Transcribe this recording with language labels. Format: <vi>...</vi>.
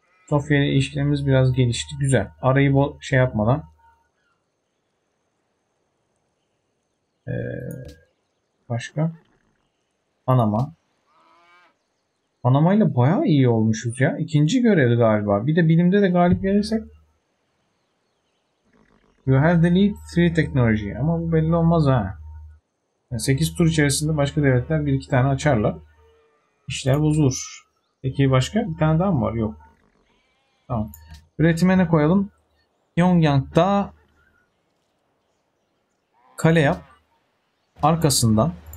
<tr>Sofya ile ilişkilerimiz biraz gelişti. Güzel. Arayı bol şey yapmadan. Başka? Panama. Panama'yla bayağı iyi olmuşuz ya. İkinci görevi galiba. Bir de bilimde de galip gelirsek.</tr> <en>You have the lead 3 technology.</en> <tr>Ama bu belli olmaz ha. Yani 8 tur içerisinde başka devletler 1-2 tane açarlar. İşler bozulur. Peki başka? Bir tane daha mı var? Yok. Tamam. Üretime ne koyalım? Pyongyang'da kale yap. Arkasından.</tr>